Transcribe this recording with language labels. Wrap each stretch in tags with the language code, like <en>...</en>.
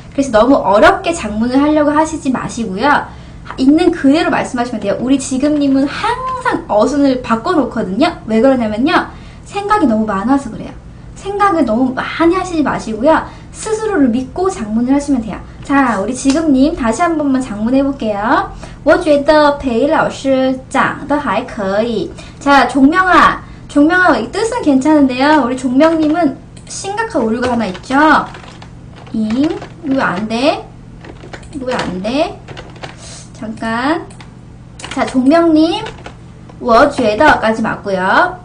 <ko>그래서 너무 어렵게 작문을 하려고 하시지 마시고요. 있는 그대로 말씀하시면 돼요. 우리 지금님은 항상 어순을 바꿔놓거든요. 왜 그러냐면요, 생각이 너무 많아서 그래요. 생각을 너무 많이 하시지 마시고요. 스스로를 믿고 작문을 하시면 돼요. 자, 우리 지금님 다시 한 번만 작문해 볼게요.</ko> <zh>我觉得裴老师长得还可以.</zh> <ko>자, 종명아, 종명아, 이 뜻은 괜찮은데요. 우리 종명님은 심각한 오류가 하나 있죠. 임, 이거 왜 안 돼? 이거 왜 안 돼? 잠깐. 자, 종명님, 我觉得 까지 맞고요.</ko>